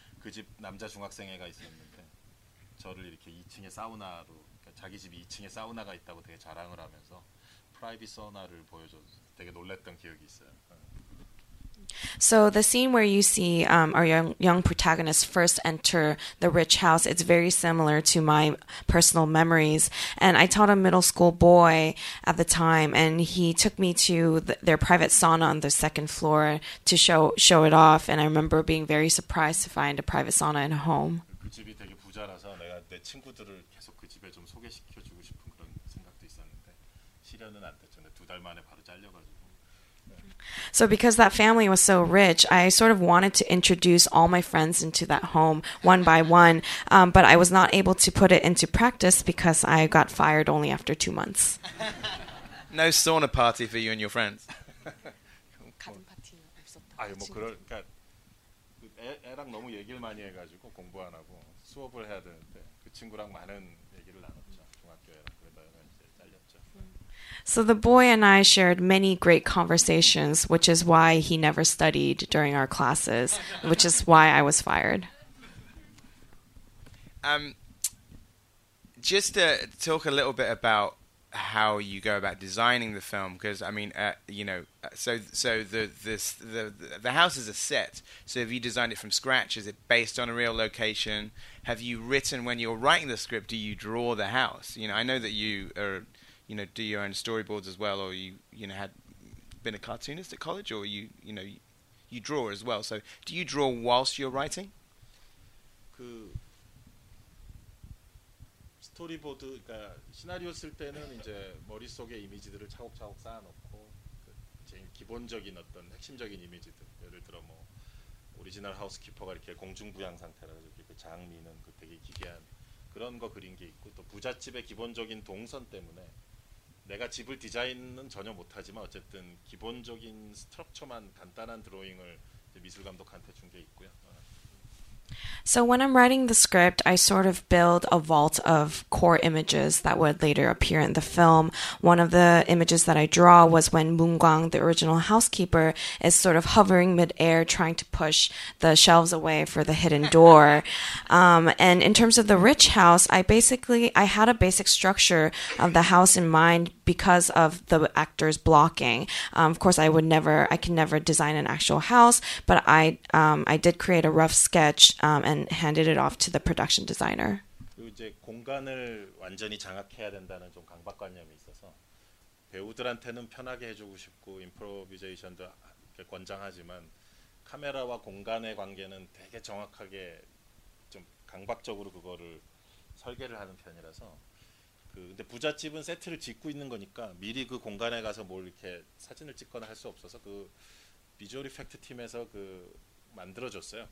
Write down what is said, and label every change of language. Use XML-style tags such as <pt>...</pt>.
<ko>그 집 남자 중학생애가 있었는데 저를 이렇게 2층에 사우나로 자기 집 2층에 사우나가 있다고 되게 자랑을 하면서 프라이빗 사우나를 보여줘서 되게 놀랐던 기억이 있어요.</ko> <en>So the scene where you see our young protagonist first enter the rich house, it's very similar to my personal memories. And I taught a middle school boy at the time, and he took me to their private sauna on the second floor to show it off. And I remember being very surprised to find a private sauna in a home.</en> <ko>그 집이 되게 부자라서 내가 내 친구들을 계속 그 집에 좀 소개시켜주고 싶은 그런 생각도 있었는데 실현은 안 됐죠. 두 달 만에 바로 잘려가지고. So because that family was so rich, I sort of wanted to introduce all my friends into that home one by one, but I was not able to put it into practice because I got fired only after 2 months.</ko> <en>No sauna party for you and your friends.</en> <ko>같은 파티는 없었다. 아니 뭐 그러니까 애랑 너무 얘기를 많이 해가지고 공부 안 하고 수업을 해야 되는데 그 친구랑 많은 얘기를 나눴죠. 중학교에랑 그러다가 이제 잘렸죠. So the boy and I shared many great conversations, which is why he never studied during our classes, which is why I was fired.</ko> <en>Just to talk a little bit about how you go about designing the film, because I mean, you know, so the house is a set. So have you designed it from scratch? Is it based on a real location? Have you written, when you're writing the script, do you draw the house? You know, I know that you are, you know, do your own storyboards as well, or you, you know, had been a cartoonist at college, or you, you know, you draw as well. So do you draw whilst you're writing?</en> <ko>그 스토리보드, 그러니까 시나리오 쓸 때는 이제 머릿속에 이미지들을 차곡차곡 쌓아놓고 그 제일 기본적인 어떤 핵심적인 이미지들, 예를 들어 뭐 오리지널 하우스키퍼가 이렇게 공중부양 상태라든지 그 장미는 그 되게 기괴한 그런 거 그린 게 있고, 또 부잣집의 기본적인 동선 때문에 내가 집을 디자인은 전혀 못하지만 어쨌든 기본적인 스트럭처만 간단한 드로잉을 이제 미술 감독한테 준 게 있고요.</ko> <en>So when I'm writing the script, I sort of build a vault of core images that would later appear in the film. One of the images that I draw was when Moonguang, the original housekeeper, is sort of hovering midair trying to push the shelves away for the hidden door. And in terms of the rich house, I had a basic structure of the house in mind because of the actor's blocking. Of course, I can never design an actual house, but I did create a rough sketch and handed it off to the production designer.</en> <ko>이제 공간을 완전히 장악해야 된다는 좀 강박관념이 있어서 배우들한테는 편하게 해주고 싶고 임프로비제이션도 권장하지만 카메라와 공간의 관계는 되게 정확하게 좀 강박적으로 그거를 설계를 하는 편이라서 근데 부잣집은 세트를 짓고 있는 거니까 미리 그 공간에 가서 뭘 이렇게 사진을 찍거나 할 수 없어서 그 비주얼 이펙트 팀에서 그 만들어줬어요.</ko>